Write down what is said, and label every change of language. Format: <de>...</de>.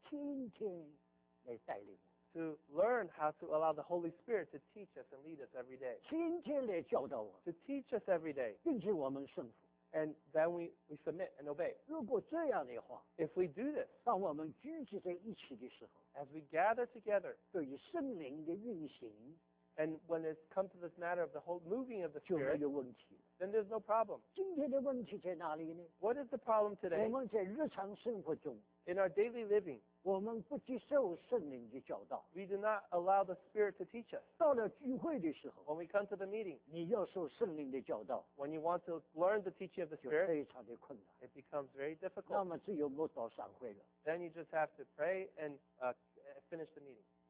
<zh>要学习让圣灵天天来带领我们,</zh> <en>to learn how to allow the Holy Spirit to teach us and lead us every day.</en> <zh>天天来教导我们,</zh> <en>to teach us every day.</en> <zh>并且我们顺服,</zh> <en>and then we submit and obey.</en> <zh>如果这样的话,</zh> <en>if we do this,</en> <zh>当我们聚集在一起的时候,</zh> <en>as we gather together,</en> <zh>对于圣灵的运行,</zh> <en>and when it comes to this matter of the whole moving of the Spirit,</en> <zh>就没有问题,</zh> <en>then there's no problem.</en> <zh>今天的问题在哪里呢?</zh> <en>What is the problem today?</en> <zh>我们在日常生活中,</zh> <en>in our daily living,</en> <zh>我们不接受圣灵的教导,</zh> <en>we do not allow the Spirit to teach us.</en> <zh>到了聚会的时候,</zh> <en>when we come to the meeting,</en> <zh>你要受圣灵的教导,</zh> <en>when you want to learn the teaching of the Spirit,</en> <zh>就非常的困难,</zh> <en>it becomes very difficult.</en> <zh>那么只有牧道散会了,</zh> <en>then you just have to pray and finish the meeting.</en>